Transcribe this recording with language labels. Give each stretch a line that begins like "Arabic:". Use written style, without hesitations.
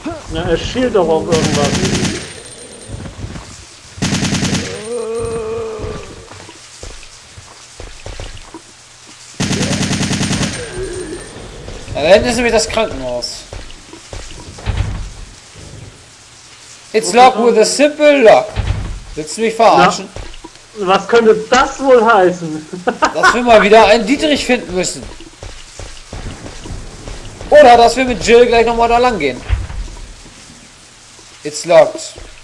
German: Na, er schielt doch auf irgendwas. Da hinten ist nämlich das Krankenhaus.
English: It's locked with a simple lock.
German: Willst du mich verarschen? Na, was könnte das wohl heißen? Dass wir mal wieder einen Dietrich finden müssen. Oder dass wir mit Jill gleich nochmal da lang gehen.
English: It's locked.